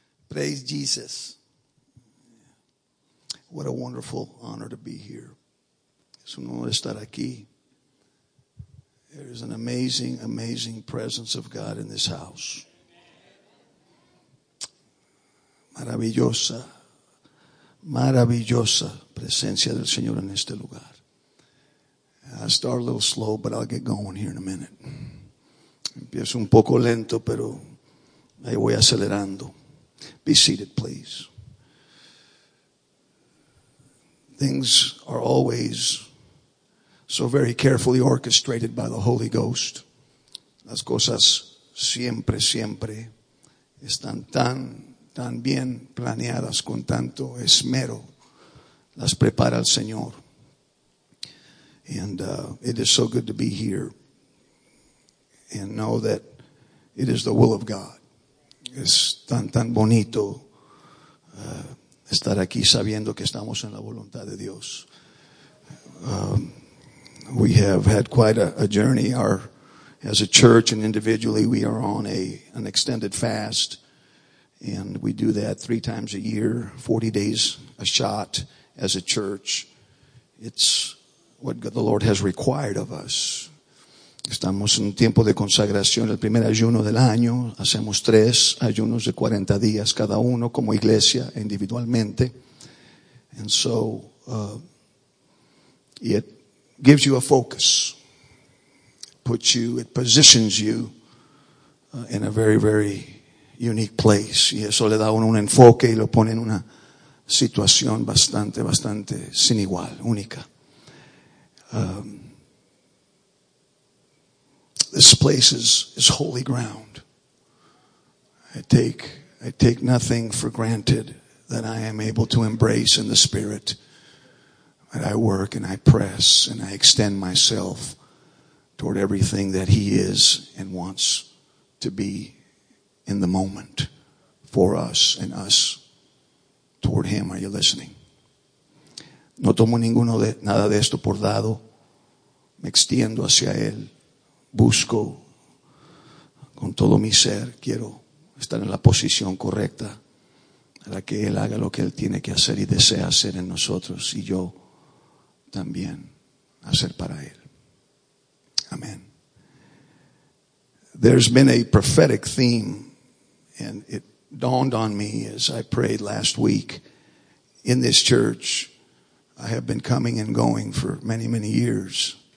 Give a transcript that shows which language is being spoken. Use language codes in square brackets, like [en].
[en] Praise Jesus. What a wonderful honor to be here. [es] Es un honor estar aquí. [en] There is an amazing, amazing presence of God in this house. [es] Maravillosa, maravillosa presencia del Señor en este lugar. [en] I start a little slow, but I'll get going here in a minute. [es] Empiezo un poco lento, pero ahí voy acelerando. [en] Be seated, please. Things are always so very carefully orchestrated by the Holy Ghost. [es] Las cosas siempre, siempre están tan... tan bien planeadas con tanto esmero, las prepara el Señor. [en] And it is so good to be here and know that it is the will of God. [es] Es tan, tan bonito estar aquí sabiendo que estamos en la voluntad de Dios. [en] We have had quite a journey. As a church and individually, we are on an extended fast. And we do that 3 times a year, 40 days a shot as a church. It's what the Lord has required of us. [es] Estamos en un tiempo de consagración, el primer ayuno del año. Hacemos 3 ayunos de 40 días cada uno como iglesia individualmente. [en] And so it gives you a focus. It positions you in a very, very unique place. [es] Y eso le da un enfoque y lo pone en una situación bastante, bastante sin igual, única. [en] This place is holy ground. I take nothing for granted that I am able to embrace in the Spirit. And I work and I press and I extend myself toward everything that He is and wants to be in the moment for us and us toward Him. Are you listening? [es] No tomo ninguno de nada de esto por dado. Me extiendo hacia Él. Busco con todo mi ser. Quiero estar en la posición correcta para que Él haga lo que Él tiene que hacer y desea hacer en nosotros y yo también hacer para Él. Amen. [en] There's been a prophetic theme, and it dawned on me as I prayed last week in this church. I have been coming and going for many, many years.